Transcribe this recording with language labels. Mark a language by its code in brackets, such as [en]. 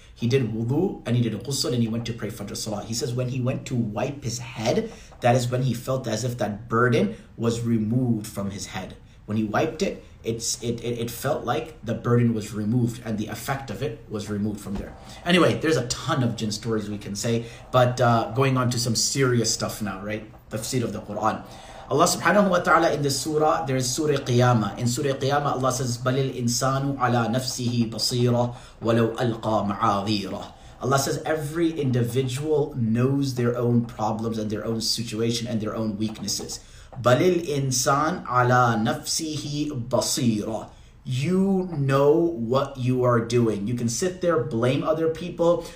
[en] He did wudu and he did ghusl and he went to pray Fajr Salah. He says when he went to wipe his head, that is when he felt as if that burden was removed from his head. When he wiped it, it felt like the burden was removed and the effect of it was removed from there. Anyway, there's a ton of jinn stories we can say, but going on to some serious stuff now, right? The tafsir of the Quran. Allah subhanahu wa ta'ala in the surah, there is Surah Qiyamah. In Surah Qiyamah, Allah says, [ar] بَلِلْ إِنسَانُ عَلَىٰ نَفْسِهِ بَصِيرًا وَلَوْ أَلْقَى مَعَاذِيرًا. [en] Allah says, every individual knows their own problems and their own situation and their own weaknesses. [ar] بَلِلْ إِنسَانُ عَلَىٰ نَفْسِهِ بَصِيرًا. [en] You know what you are doing. You can sit there, blame other people.